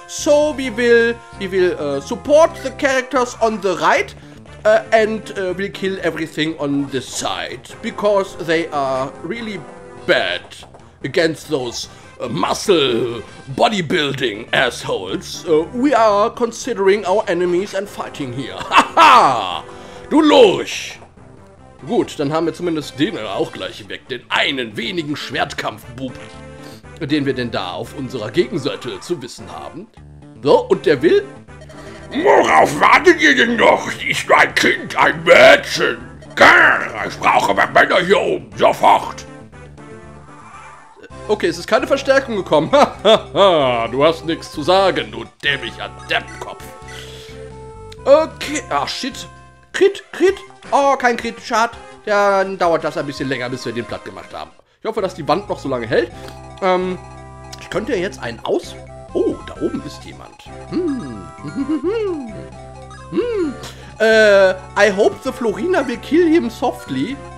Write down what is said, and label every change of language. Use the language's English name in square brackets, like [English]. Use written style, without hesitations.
[English] So we will support the characters on the right and will kill everything on this side, because they are really bad against those muscle bodybuilding assholes. We are considering our enemies and fighting here. [German] Haha! Du Lurch! Gut, dann haben wir zumindest den auch gleich weg. Den einen wenigen Schwertkampfbub, den wir denn da auf unserer Gegenseite zu wissen haben. So, und der will? Worauf wartet ihr denn noch? Sie ist ein Kind, ein Mädchen. Ich brauche mehr Männer hier oben. Sofort. Okay, es ist keine Verstärkung gekommen. Du hast nichts zu sagen, du dämlicher Deppkopf. Okay, ach shit. Crit? Oh, kein Crit, schade. Dann dauert das ein bisschen länger, bis wir den platt gemacht haben. Ich hoffe, dass die Wand noch so lange hält. Ich könnte ja jetzt einen aus... Oh, da oben ist jemand. [English] I hope the Florina will kill him softly.